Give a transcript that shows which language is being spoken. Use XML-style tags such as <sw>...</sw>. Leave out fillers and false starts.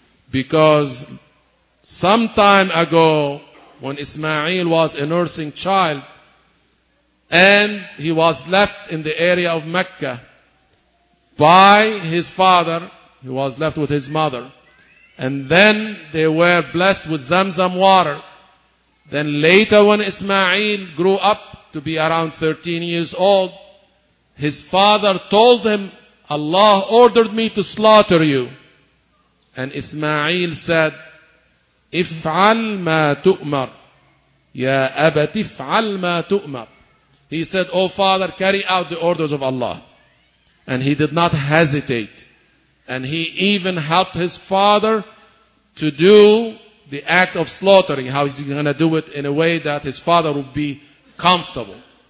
<en>Because some time ago, when Ismail was a nursing child, and he was left in the area of Mecca by his father, he was left with his mother, and then they were blessed with Zamzam water. Then later, when Ismail grew up to be around 13 years old, his father told him, Allah ordered me to slaughter you. And Ismail said,</en> <ar>اِفْعَلْ مَا تُؤْمَرْ يَا أَبَتِ اِفْعَلْ مَا تُؤْمَرْ.</ar> <en>He said, O father, carry out the orders of Allah. And he did not hesitate. And he even helped his father to do the act of slaughtering. How is he going to do it in a way that his father would be comfortable?</en>